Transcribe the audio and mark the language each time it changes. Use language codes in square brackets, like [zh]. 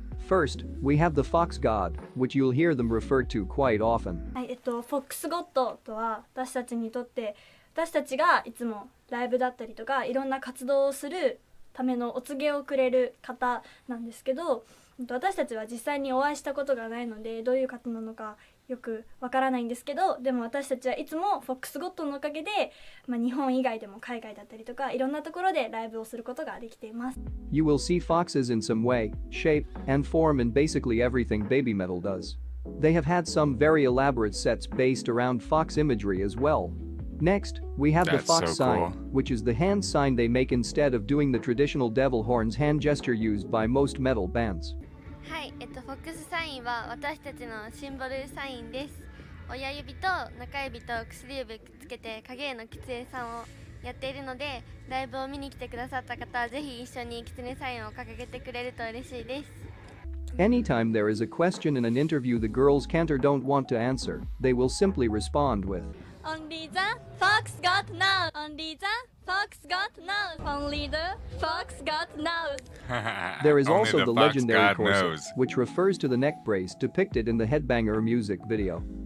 [en] First, we have the Fox God, which you'll hear them referred to quite often. [ja] Fox God とは私たちにとって、私たちがいつもライブだったりとかいろんな活動をするためのお告げをくれる方なんですけど、私たちは実際にお会いしたことがないのでどういう方なのかよくわからないんですけど、でも私たちはいつもフォックスゴッドのおかげで、まあ、日本以外でも海外だったりとかいろんなところでライブをすることができています。 [en] You will see foxes in some way, shape, and form in basically everything BABYMETAL does. They have had some very elaborate sets based around fox imagery as well. Next, we have That's the fox so sign, cool. which is the hand sign they make instead of doing the traditional devil horns hand gesture used by most metal bands. [ja] はい、フォックスサインは私たちのシンボルサインです。親指と中指と薬指くっつけて影絵のキツネさんをやっているので、ライブを見に来てくださった方はぜひ一緒にキツネサインを掲げてくれると嬉しいです。 [en] Anytime there is a question in an interview the girls can't or don't want to answer, they will simply respond with, Only the fox got now. Only the fox got now. Only the fox got now. There is also the legendary corset, which refers to the neck brace depicted in the Headbanger music video.